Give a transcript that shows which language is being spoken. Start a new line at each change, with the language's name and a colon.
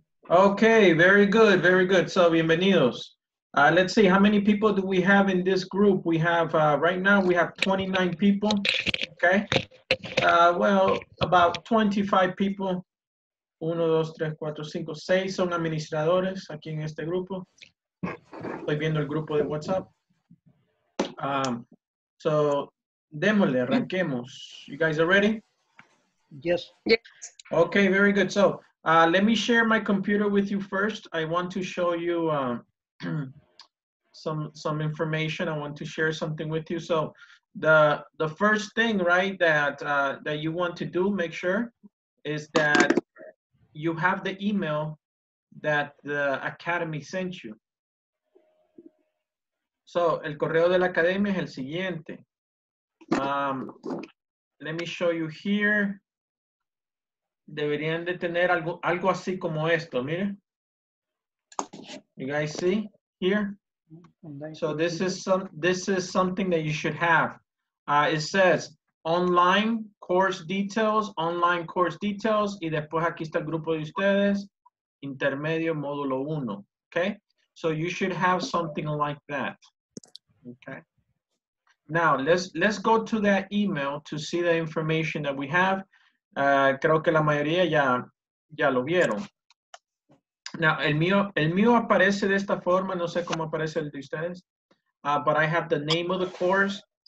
English: Okay, very good, very good. So,
Spanish: bienvenidos.
English: Let's see, how many people do we have in this group? We have, right now, we have 29 people, okay? Well, about 25 people.
Spanish: Uno, dos, tres, cuatro, cinco, seis son administradores aquí en este grupo. Estoy viendo el grupo de WhatsApp.
English: So,
Spanish: démosle, arranquemos.
English: You guys are ready? Yes. Okay, very good. So, let me share my computer with you first. I want to show you some information. I want to share something with you. So the first thing, right, that that you want to do, make sure, is that you have the email that the academy sent you.
Spanish: So el correo de la academia es el siguiente.
English: Let me show you here.
Spanish: Deberían de tener algo así como esto, mire.
English: You guys see here? So this is something that you should have. It says online course details,
Spanish: online course details, y después aquí está el grupo de ustedes, intermedio módulo uno, okay?
English: So you should have something like that, okay? Now, let's go to that email to see the information that we have.
Spanish: Creo que la mayoría ya lo vieron. Now, el mío aparece de esta forma, no sé cómo aparece el de ustedes.
English: But I have the name of the course.